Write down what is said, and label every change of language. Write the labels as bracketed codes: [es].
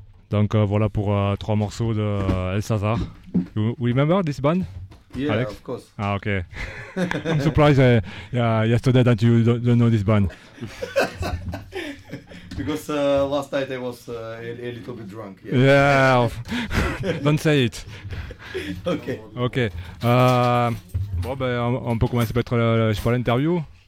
[fr] Donc voilà pour trois morceaux de El Sazar. [en] You remember this band? Yeah, Alex? Of course. Ah, okay. I'm surprised yesterday that you don't know this band. Because last night I was a little bit drunk. Yeah. Don't say it. Okay. Okay. [fr] Bon, ben, on peut commencer peut-être l'interview.